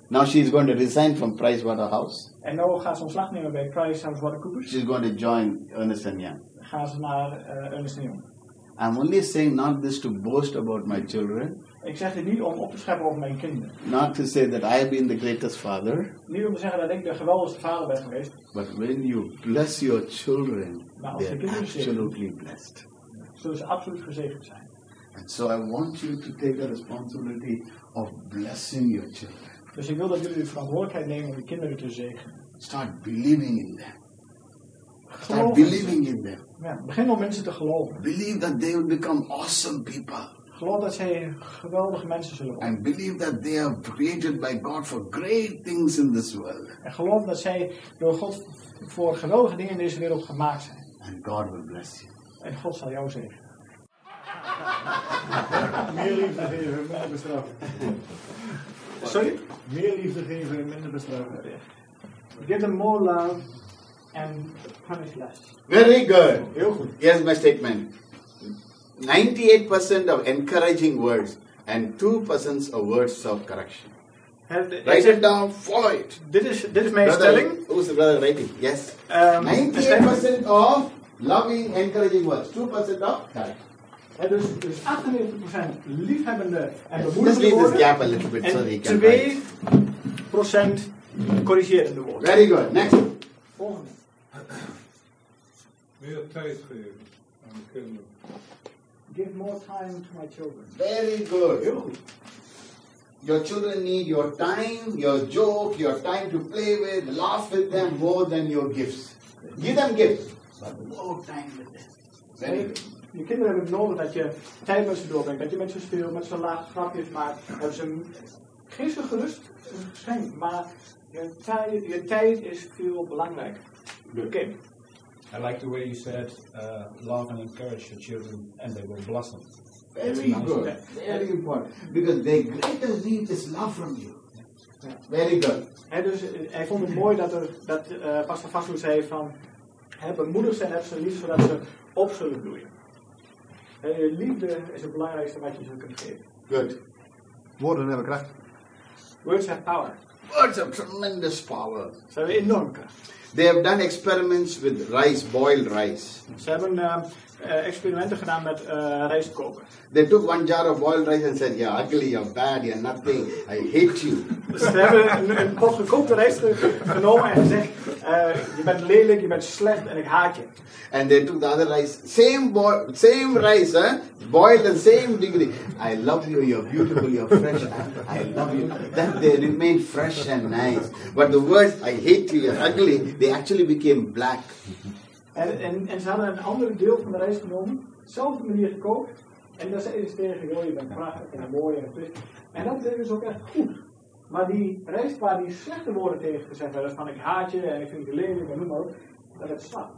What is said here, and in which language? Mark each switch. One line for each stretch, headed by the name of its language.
English: Now she is going to resign from Pricewaterhouse.
Dutch: En nu gaat ze ontslag nemen bij Pricewaterhouse Watercoopers.
English: She is going to join Ernest en Jong.
Dutch: Gaan ze naar Ernest en Jong.
English: I'm only saying not this to boast about my children.
Dutch: Ik zeg dit niet om op te scheppen over mijn kinderen.
English: Not to say that I have been the greatest father.
Dutch: Niet om te zeggen dat ik de geweldigste vader ben geweest.
English: But when you bless your children, they are absolutely blessed.
Dutch: Zullen ze absoluut gezegend zijn.
English: And so I want you to take the responsibility of blessing your children.
Dutch: Dus ik wil dat jullie de verantwoordelijkheid nemen om je kinderen te zegenen.
English: Start believing in them. Start believing in them.
Dutch: Ja, begin om mensen te geloven.
English: Believe that they will become awesome people.
Dutch: Geloof dat zij geweldige mensen zullen worden.
English: And believe that they are created by God for great things in this world.
Dutch: En geloof dat zij door God voor geweldige dingen in deze wereld gemaakt zijn.
English: And God will bless you.
Dutch: En God zal jou zegenen. Meer liefde geven, minder bestraffen.
English: Sorry?
Dutch: Meer liefde geven en minder bestraffen.
English: Give them more love and punish less. Very good.
Dutch: Heel goed.
English: Here's my statement. 98% of encouraging words and 2% of words of correction. Write it down, follow it. This is my stelling. Who's the brother writing? Yes. 98% of loving, encouraging words, 2% of correction.
Dutch: Ja, dus 98% liefhebbende en bemoedigende woorden.
English: Little bit,
Dutch: en
English: so
Dutch: 2% corrigerende woorden.
English: Very good. Next.
Dutch: Volgende. Meer tijd geven aan de kinderen.
English: Give more time to my children. Very good. Your children need your time, your joke, your time to play with, laugh with them more than your gifts. Give them gifts, but more time with them. Very good.
Dutch: Je kinderen hebben nodig dat je tijd met ze doorbrengt, dat je met ze speelt, met ze lacht, grapjes maakt. Dat ze geen zo gerust zijn, maar je tijd is veel belangrijker. Oké. Okay.
English: I like the way you said, love and encourage your children and they will blossom. Very nice good. Step. Very important. Because their greatest need is love from you. Yeah. Very good.
Dutch: Hij, dus, hij vond het mooi dat Pastor Vassou zei van, bemoedig ze en heb ze lief zodat ze op zullen bloeien. Liefde is het belangrijkste wat je ze kunt geven.
English: Good.
Dutch: Woorden hebben kracht.
English: Words have power. Words have tremendous power.
Dutch: Ze hebben enorm kracht.
English: They have done experiments with rice, boiled rice.
Dutch: Ze hebben experimenten gedaan met rijst koken.
English: They took one jar of boiled rice and said, you're ugly, you're bad, you're nothing, I hate you.
Dutch: Ze hebben een pot gekookte rijst genomen en gezegd, je bent lelijk, je bent slecht en ik haat je.
English: And they took the other rice, same rice, boiled the same degree. I love you, you're beautiful, you're fresh, I love you. Then they remained fresh and nice. But the words, I hate you, you're ugly, they actually became black.
Dutch: En ze hadden een ander deel van de rijst genomen, dezelfde manier gekookt. En dan zeiden ze tegen, joh, je bent prachtig en mooi en fris. En dat deden ze ook echt goed. Maar die rijst waar die slechte woorden tegen gezegd werden, van ik haat je en ik vind je lelijk en noem maar op, dat het slaat.